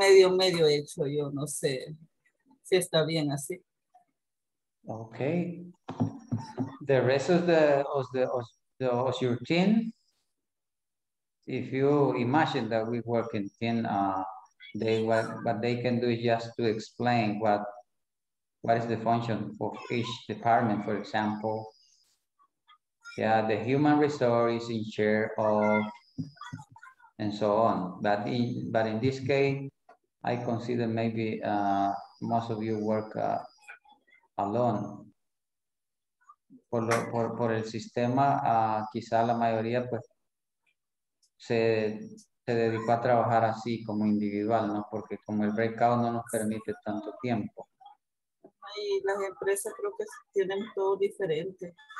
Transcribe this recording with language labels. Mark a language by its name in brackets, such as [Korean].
[Spanish] Medio hecho, yo no sé si está bien así. [English] Okay. The rest of the your team, if you imagine that we work in team, what they can do is just to explain what is the function for each department. For example, yeah, the human resource is in charge of, and so on. But in this case, I consider maybe most of you work alone. [Spanish] Por el sistema, quizá la mayoría pues se dedicó a trabajar así como individual, ¿no? Porque como el breakout no nos permite tanto tiempo. Y las empresas creo que tienen todo diferente.